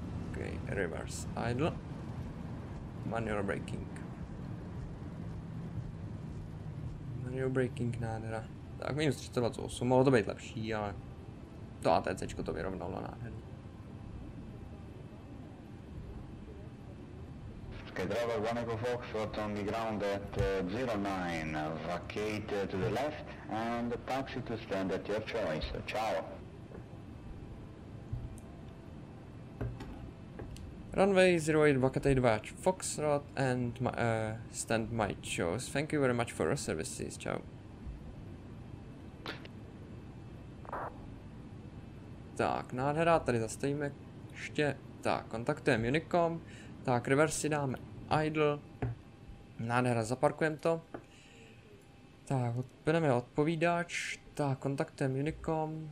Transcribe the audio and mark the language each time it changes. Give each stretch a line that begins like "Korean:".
English: Ok, reverse idle. Manual braking. Manual braking, nádhera.
Czech: Tak minus 328, mohlo to být lepší, ale to ATCčko to vyrovnalo, nádhera.
English: Skydriver 1 Echo Foxtrot on the ground at 09, vacate to the left and taxi to stand at your choice.
Italian: Ciao.
English: Runway 08, vacate 2 Foxtrot and stand my choice. Thank you very much for your services.
Italian: Ciao.
Czech: Tak, nádhera, tady zastavíme ještě. Tak, kontaktujeme Unicom. Tak, reverse si dáme. Idle. Nádhera, zaparkujeme to. Tak, odpneme odpovídač. Tak, kontaktujeme Unicom.